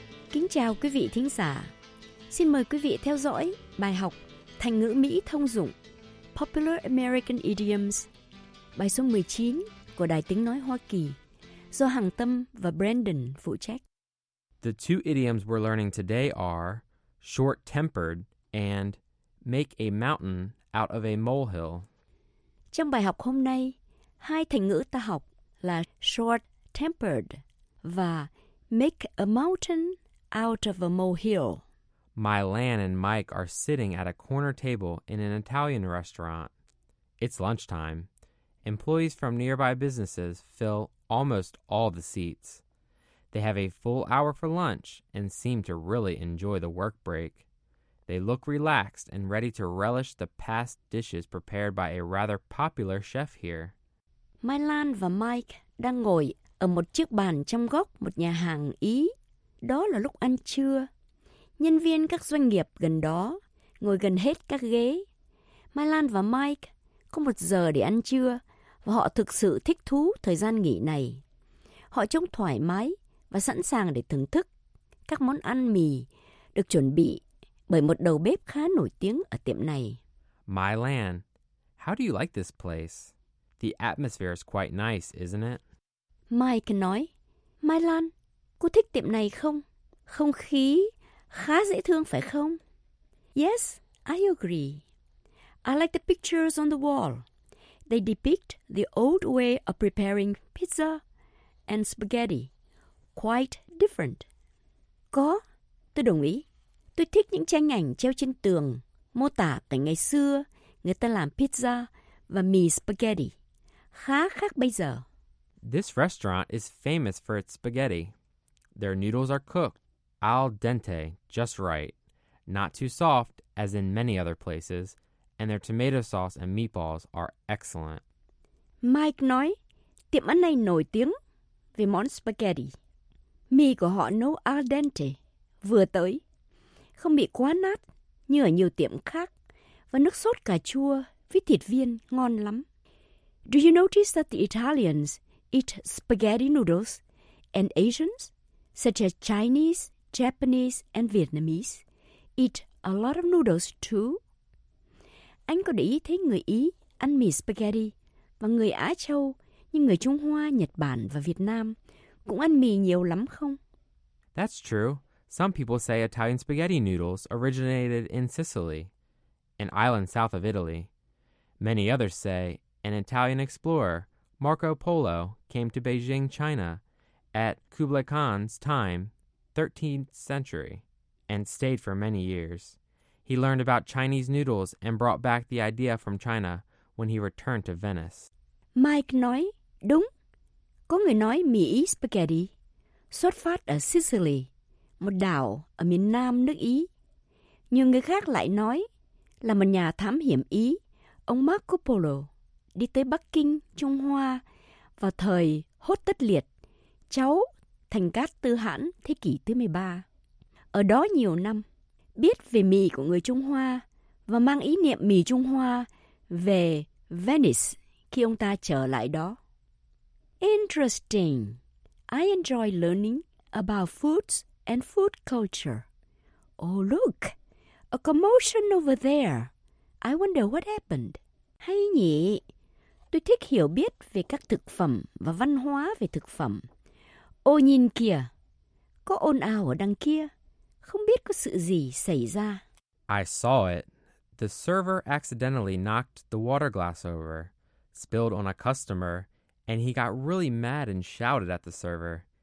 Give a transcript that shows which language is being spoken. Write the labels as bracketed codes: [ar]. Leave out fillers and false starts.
[vi] Kính chào quý vị thính giả. Xin mời quý vị theo dõi bài học thành ngữ Mỹ thông dụng Popular American Idioms, bài số 19 của Đài Tiếng Nói Hoa Kỳ, do Hằng Tâm và Brandon phụ trách. [en] The two idioms we're learning today are short-tempered and make a mountain out of a molehill. [vi] Trong bài học hôm nay, hai thành ngữ ta học là short-tempered và make a mountain out of a molehill. [en] Mylan and Mike are sitting at a corner table in an Italian restaurant. It's lunchtime. Employees from nearby businesses fill almost all the seats. They have a full hour for lunch and seem to really enjoy the work break. They look relaxed and ready to relish the past dishes prepared by a rather popular chef here. [vi] Mylan và Mike đang ngồi ở một chiếc bàn trong góc một nhà hàng Ý. Đó là lúc ăn trưa. Nhân viên các doanh nghiệp gần đó ngồi gần hết các ghế. Mylan và Mike có một giờ để ăn trưa và họ thực sự thích thú thời gian nghỉ này. Họ trông thoải mái và sẵn sàng để thưởng thức các món ăn mì được chuẩn bị bởi một đầu bếp khá nổi tiếng ở tiệm này. [en] Mylan, how do you like this place? The atmosphere is quite nice, isn't it? [vi] Mike nói, Mylan, cô thích tiệm này không? Không khí khá dễ thương phải không? [en] Yes, I agree. I like the pictures on the wall. They depict the old way of preparing pizza and spaghetti. Quite different. [vi] Có, tôi đồng ý. Tôi thích những tranh ảnh treo trên tường mô tả cảnh ngày xưa người ta làm pizza và mì spaghetti. Khá khác bây giờ. [en] This restaurant is famous for its spaghetti. Their noodles are cooked al dente, just right. Not too soft, as in many other places. And their tomato sauce and meatballs are excellent. [vi] Mike nói, tiệm ăn này nổi tiếng vì món spaghetti. Mì của họ nấu al dente, vừa tới. Không bị quá nát, như ở nhiều tiệm khác, và nước sốt cà chua với thịt viên ngon lắm. [en] Do you notice that the Italians eat spaghetti noodles and Asians, such as Chinese, Japanese and Vietnamese, eat a lot of noodles too? [vi] Anh có để ý thấy người Ý ăn mì spaghetti và người Á Châu như người Trung Hoa, Nhật Bản và Việt Nam cũng ăn mì nhiều lắm không? [en] That's true. Some people say Italian spaghetti noodles originated in Sicily, an island south of Italy. Many others say an Italian explorer, Marco Polo, came to Beijing, China, at Kublai Khan's time, 13th century, and stayed for many years. He learned about Chinese noodles and brought back the idea from China when he returned to Venice. [vi] Mike nói, đúng, có người nói mì Ý spaghetti xuất phát ở Sicily, một đảo ở miền nam nước Ý. Nhưng người khác lại nói là một nhà thám hiểm Ý, ông Marco Polo, đi tới Bắc Kinh, Trung Hoa vào thời Hốt Tất Liệt, cháu Thành Cát Tư Hãn thế kỷ thứ 13. Ở đó nhiều năm, biết về mì của người Trung Hoa và mang ý niệm mì Trung Hoa về Venice khi ông ta trở lại đó. [en] Interesting. I enjoy learning about foods and food culture. Oh, look. A commotion over there. I wonder what happened. [vi] Hay nhỉ? Tôi thích hiểu biết về các thực phẩm và văn hóa về thực phẩm. Ô nhìn kìa. Có ồn ào ở đằng kia. Không biết có sự gì xảy ra. [en] I saw it. The server accidentally knocked the water glass over, spilled on a customer, and he got really mad and shouted at the server.